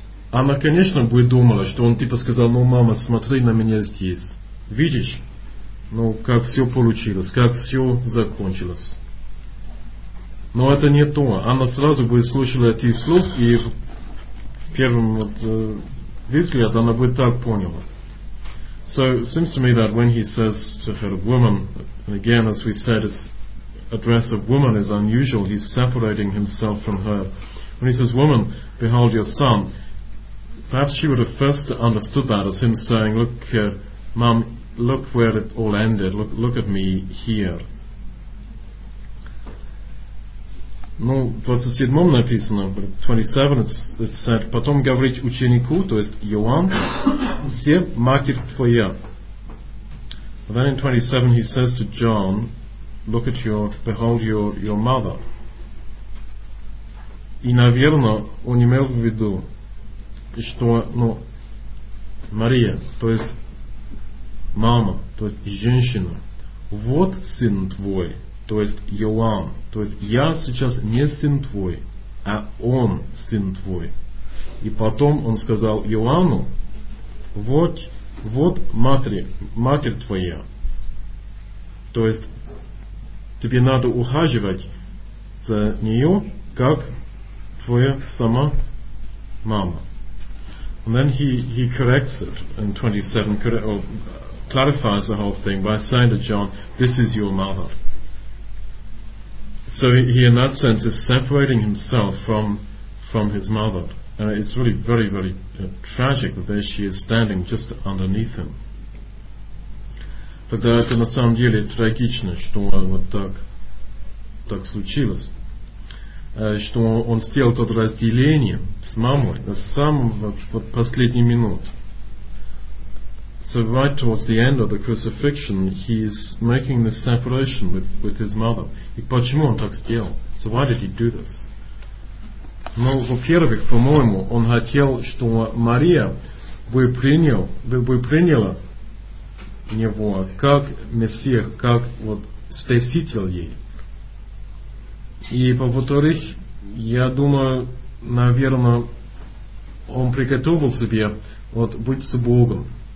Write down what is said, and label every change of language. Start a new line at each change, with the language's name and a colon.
Russian: Она, конечно, бы думала, что он типа сказал, ну мама, смотри на меня здесь. Видишь? Ну, как все получилось, как все закончилось. Но это не то. Она сразу бы слушала эти слова, и в первом вот взгляде она бы так поняла.
English: So, it seems to me that when he says to her, woman, and again, as we said, his address of woman is unusual, he's separating himself from her. When he says, woman, behold your son, perhaps she would have first understood that as him saying, look, mom, look where it all ended. Look at me here.
Russian: Ну, в 27 написано, в 27
English: it said,
Russian: потом говорить ученику, то есть Иоанн, все матерь твоя.
English: Then in 27 he says to John, look at behold your mother.
Russian: И, наверное, он имел в виду, что, ну, Мария, то есть мама, то есть женщина, вот сын твой, то есть Иоанн, то есть я сейчас не сын твой, а он сын твой. И потом он сказал Иоанну, вот матерь твоя. То есть тебе надо ухаживать за нее, как твоя сама мама.
English: And then he corrects it in 27, clarifies the whole thing by saying to John, this is your mother. So he in that sense is separating himself from his mother. And it's really very, very tragic that there she is standing just underneath him.
Russian: Тогда это на самом деле трагично, что вот так случилось. Что он сделал тут разделение с мамой на самую последнюю минуту.
English: So right towards the end of the crucifixion, he is making this separation with his mother.
Russian: И почему он так сделал?
English: So why did he do this?
Russian: Ну, во-первых, по-моему, он хотел, что Мария бы приняла его как мессия, как вот спаситель ей. И во-вторых, я думаю, наверное, он приготовил себе вот быть с Богом.